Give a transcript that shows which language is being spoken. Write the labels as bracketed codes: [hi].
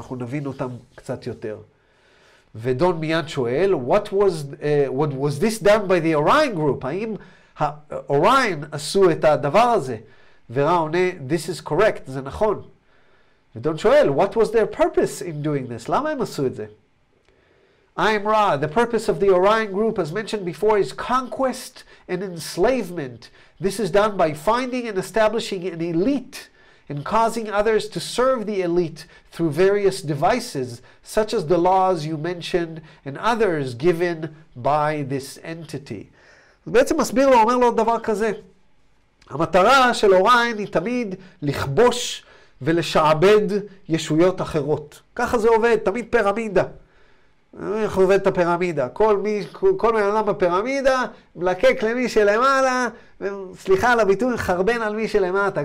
[he] אנחנו נבין אותם קצת יותר. ודון מיד שואל, [en] what was this done by the Orion group? [he] האם Orion עשו את הדבר הזה? וראה עונה, [en] this is correct, [he] זה נכון. ודון שואל, [en] what was their purpose in doing this? [he] למה הם עשו את זה? [en] I'm Ra, the purpose of the Orion group as mentioned before is conquest and enslavement. This is done by finding and establishing an elite and causing others to serve the elite through various devices such as the laws you mentioned and others given by this entity. [he] בעצם מסביר לו, אומר לו דבר כזה. המטרה של אוריין היא תמיד לכבוש ולשעבד ישויות אחרות. ככה זה עובד, תמיד פירמידה. איך עובד את הפירמידה? כל מי עולם בפירמידה מלקק למי שלמעלה, סליחה על הביטוי, חרבן על מי שלמטה.